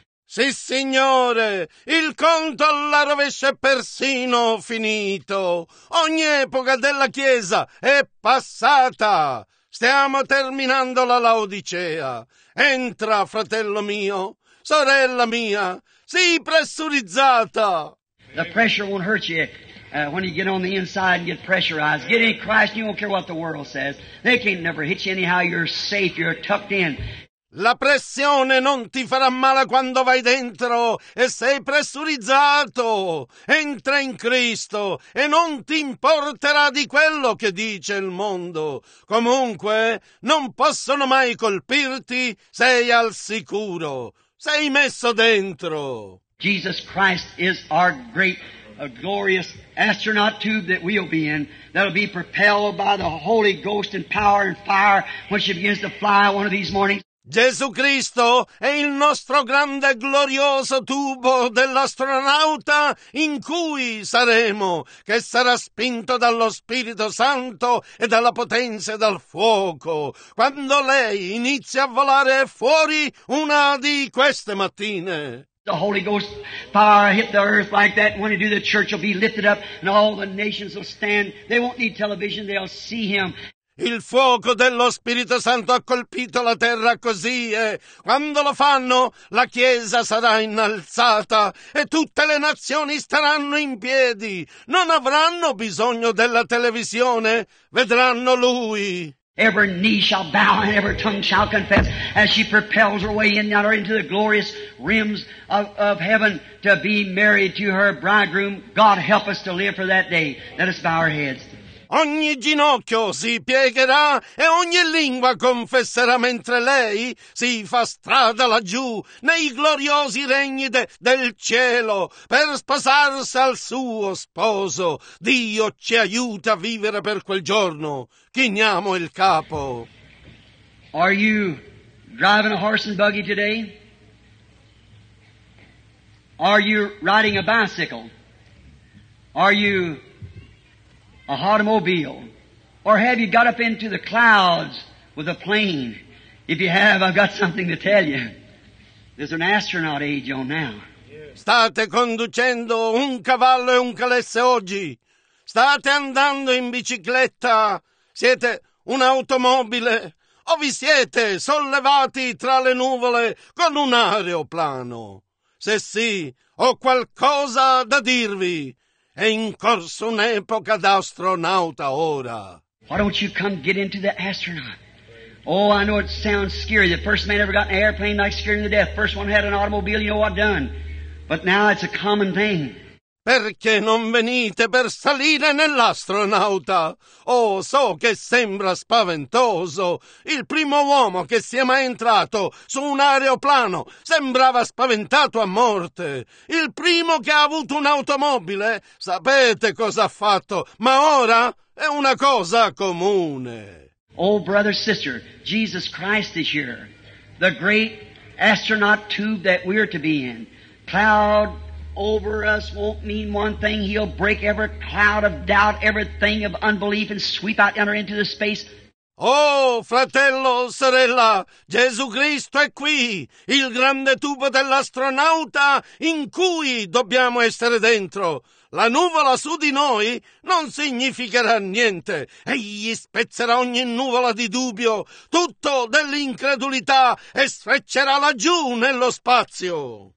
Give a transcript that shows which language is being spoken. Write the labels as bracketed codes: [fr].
[it] Sì, Signore, il conto alla rovescia è persino finito. Ogni epoca della Chiesa è passata. Stiamo terminando la Laodicea. Entra, fratello mio, sorella mia, sii pressurizzata. [en] The pressure won't hurt you when you get on the inside and get pressurized. Get in Christ, you don't care what the world says. They can't never hit you anyhow. You're safe, you're tucked in. [it] La pressione non ti farà male quando vai dentro e sei pressurizzato. Entra in Cristo e non ti importerà di quello che dice il mondo. Comunque, non possono mai colpirti, sei al sicuro. Sei messo dentro. [en] Jesus Christ is our great, glorious astronaut tube that we'll be in, that'll be propelled by the Holy Ghost and power and fire when she begins to fly one of these mornings. [it] Gesù Cristo è il nostro grande e glorioso tubo dell'astronauta in cui saremo, che sarà spinto dallo Spirito Santo e dalla potenza e dal fuoco. Quando lei inizia a volare fuori una di queste mattine. [en] The Holy Ghost fire hit the earth like that. When he do, the church will be lifted up and all the nations will stand. They won't need television. They'll see him. [it] Il fuoco dello Spirito Santo ha colpito la terra così, e quando lo fanno la Chiesa sarà innalzata e tutte le nazioni staranno in piedi. Non avranno bisogno della televisione, vedranno Lui. [en] Every knee shall bow and every tongue shall confess as she propels her way in yonder into the glorious rims of heaven to be married to her bridegroom. God help us to live for that day. Let us bow our heads. [it] Ogni ginocchio si piegherà e ogni lingua confesserà mentre lei si fa strada laggiù nei gloriosi regni del cielo per sposarsi al suo sposo. Dio ci aiuta a vivere per quel giorno. Chiniamo il capo. [en] Are you driving a horse and buggy today? Are you riding a bicycle? Are you a automobile? Or have you got up into the clouds with a plane? If you have, I've got something to tell you. There's an astronaut age on now. [it] State conducendo un cavallo e un calesse oggi. State andando in bicicletta. Siete un'automobile. O vi siete sollevati tra le nuvole con un aeroplano? Se sì, ho qualcosa da dirvi. È in corso un'epoca d'astronauta ora. [en] Why don't you come get into the astronaut? Oh, I know it sounds scary. The first man ever got an airplane, like scaring the death. First one had an automobile, you know what done. But now it's a common thing. [it] Perché non venite per salire nell'astronauta? Oh, so che sembra spaventoso. Il primo uomo che sia mai entrato su un aeroplano sembrava spaventato a morte. Il primo che ha avuto un'automobile, sapete cosa ha fatto, ma ora è una cosa comune. [en] Oh, brother, sister, Jesus Christ is here. The great astronaut tube that we're to be in. Cloud over us won't mean one thing. He'll break every cloud of doubt, everything of unbelief, and sweep out yonder into the space. [it] Oh, fratello, sorella, Gesù Cristo è qui, il grande tubo dell'astronauta in cui dobbiamo essere dentro. La nuvola su di noi non significherà niente. Egli spezzerà ogni nuvola di dubbio, tutto dell'incredulità, e sfreccerà laggiù nello spazio.